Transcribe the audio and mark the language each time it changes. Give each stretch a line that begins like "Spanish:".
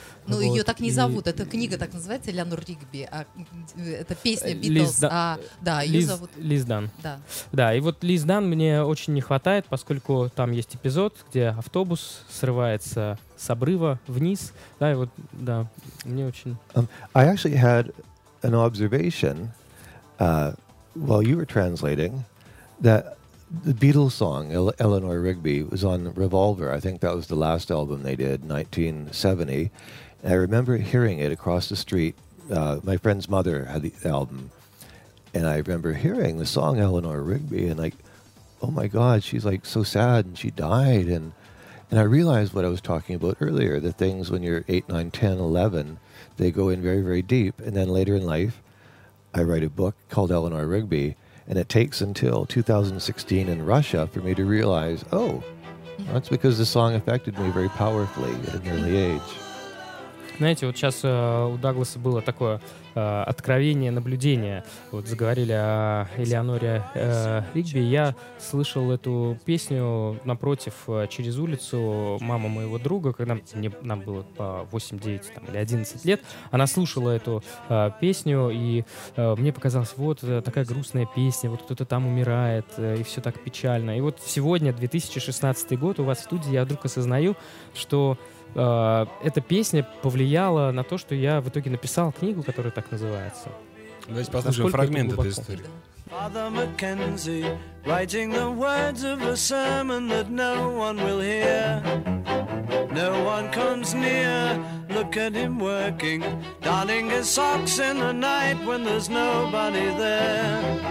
Russian: Ну, вот, ее так не зовут. Эта книга так называется, Элеонор Ригби. Это песня Битлз. Лиз Данн. Да, и вот Лиз Данн мне очень не хватает, поскольку там есть эпизод, где автобус срывается с обрыва вниз. Да, и вот, да, мне очень...
English: I actually had an observation while you were translating that The Beatles song, Eleanor Rigby, was on Revolver. I think that was the last album they did, 1970. And I remember hearing it across the street. My friend's mother had the album. And I remember hearing the song Eleanor Rigby and like, oh my God, she's like so sad and she died. And I realized what I was talking about earlier, the things when you're 8, 9, 10, 11, they go in very, very deep. And then later in life, I write a book called Eleanor Rigby. And it takes until 2016 in Russia for me to realize, oh, that's because the song affected me very powerfully at an early age.
Russian: Знаете, вот сейчас у Дагласа было такое откровение, наблюдение. Вот заговорили о Элеоноре Ригби. Я слышал эту песню напротив, через улицу, мама моего друга, когда нам было по 8-9 там, или 11 лет. Она слушала эту песню, и мне показалось, вот такая грустная песня, вот кто-то там умирает, и все так печально. И вот сегодня, 2016 год, у вас в студии, я вдруг осознаю, что... эта песня повлияла на то, что я в итоге написал книгу, которая так называется. Давайте послушаем фрагмент этой истории.
English: Father McKenzie, writing the words of a sermon that no one will hear. No one comes near, look at him working, darning his socks in the night when there's nobody there.